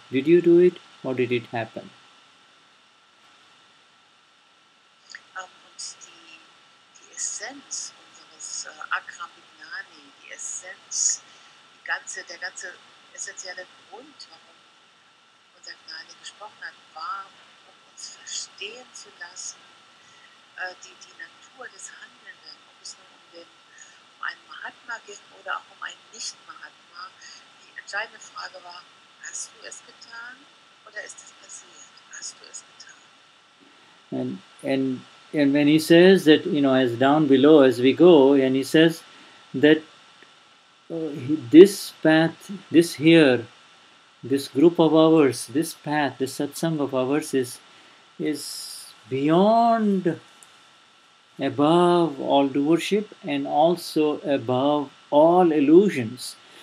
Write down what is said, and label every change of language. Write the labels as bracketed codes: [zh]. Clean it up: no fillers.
[en] Did you do it or did it happen? [de] Und die Essenz unseres Akram Vignani, die Essenz, der ganze essentielle Grund, warum unser Gnani gesprochen hat, war, um uns verstehen zu lassen, die Natur des Handelns. Einen Mahatma ging oder auch um einen Nicht-Mahatma. Die entscheidende Frage war, hast du es getan oder ist es passiert? Hast du es getan? [en] And when he says that, you know, as down below as we go, and he says that this path, this here, this group of ours, this path, this satsang of ours is beyond, above all doership and also above all illusions.